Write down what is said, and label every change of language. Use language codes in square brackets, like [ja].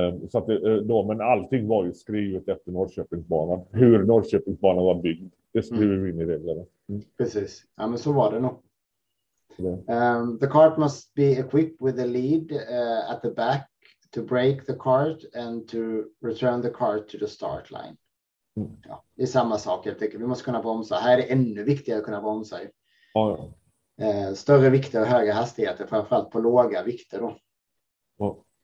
[sv] Så att då, men allting var ju skrivet efter Norrköpingsbanan, hur Norrköpingsbanan var byggd, det skriver vi in i reglerna. Precis. Ja, men så var det nog. Det. [en] The cart must be equipped with a lead at the back to break the cart and to return the cart to the start line. [sv] Ja, det är samma sak, jag tycker. Vi måste kunna bromsa. Här är det ännu viktigare att kunna bromsa. Större vikter och högre hastigheter, framförallt på låga vikter då.